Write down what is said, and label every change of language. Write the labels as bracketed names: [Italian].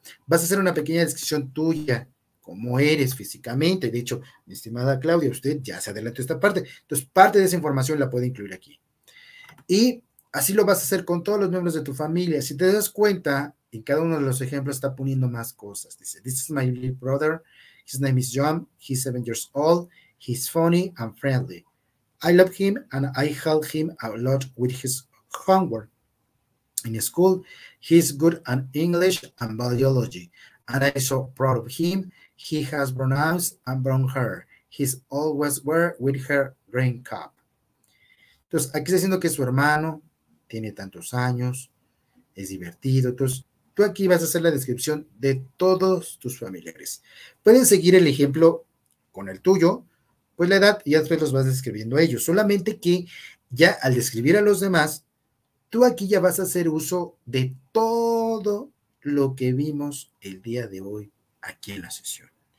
[Spanish] Vas a hacer una pequeña descripción tuya, cómo eres físicamente. De hecho, mi estimada Claudia, usted ya se adelantó esta parte. Entonces, parte de esa información la puede incluir aquí. Y Así lo vas a hacer con todos los miembros de tu familia. Si te das cuenta, en cada uno de los ejemplos está poniendo más cosas. Dice, [English] this is my little brother. His name is John. He's 7 years old. He's funny and friendly. I love him and I help him a lot with his homework. In school, he's good at English and biology. And I'm so proud of him. He has brown eyes and brown hair. He's always wear with her green cap. [Spanish] Entonces, aquí está diciendo que es su hermano, tiene tantos años, es divertido. Entonces, tú aquí vas a hacer la descripción de todos tus familiares. Pueden seguir el ejemplo con el tuyo, pues la edad, y después los vas describiendo a ellos. Solamente que ya al describir a los demás, tú aquí ya vas a hacer uso de todo lo que vimos el día de hoy aquí en la sesión.